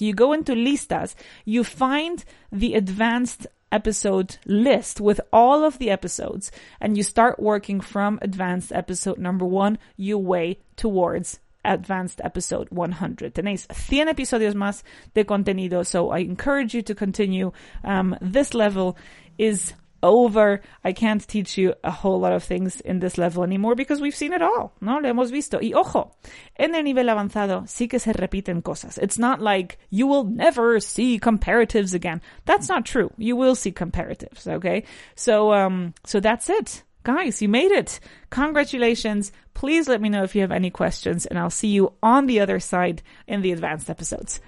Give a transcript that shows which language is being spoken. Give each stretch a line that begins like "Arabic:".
English: You go into listas, you find the advanced episode list with all of the episodes, and you start working from advanced episode number 1, your way towards advanced episode 100.
Spanish: Tenéis 100 episodios más de contenido,
English: so I encourage you to continue. This level is over. I can't teach you a whole lot of things in this level anymore because we've seen it all.
Spanish: No, lo hemos visto. Y ojo, en el nivel avanzado sí que se repiten cosas.
English: It's not like you will never see comparatives again. That's not true. You will see comparatives, okay? So that's it. Guys, you made it. Congratulations. Please let me know if you have any questions and I'll see you on the other side in the advanced episodes.